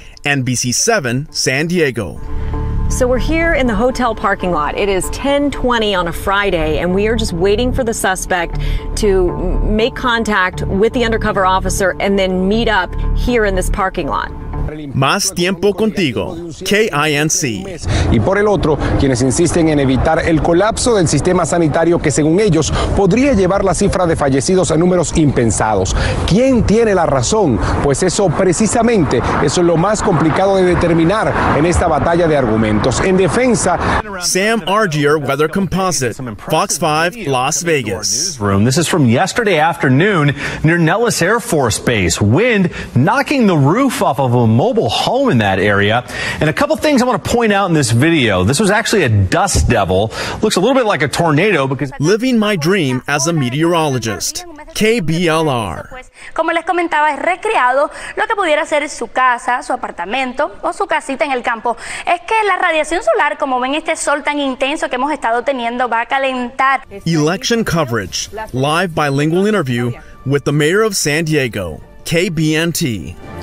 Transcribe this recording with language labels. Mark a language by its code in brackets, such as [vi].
[en] NBC 7, San Diego. So we're here in the hotel parking lot. It is 10:20 on a Friday, and we are just waiting for the suspect to make contact with the undercover officer and then meet up here in this parking lot. [es] Más Tiempo Contigo, KINC. Y por el otro, quienes insisten en evitar el colapso del sistema sanitario que, según ellos, podría llevar la cifra de fallecidos a números impensados. ¿Quién tiene la razón? Pues eso, precisamente, eso es lo más complicado de determinar en esta batalla de argumentos. En defensa... [en] Sam Argier, Weather Composite, Fox 5, Las Vegas. This is from yesterday afternoon near Nellis Air Force Base. Wind knocking the roof off of a mobile home in that area. And a couple things I want to point out in this video. This was actually a dust devil. Looks a little bit like a tornado because... Living My Dream as a Meteorologist, KBLR. [es] Como les comentaba, es recreado lo que pudiera ser su casa, su apartamento o su casita en el campo. Es que la radiación solar, como ven, este sol tan intenso que hemos estado teniendo, va a calentar. [en] Election Coverage, Live Bilingual Interview with the Mayor of San Diego, KBNT.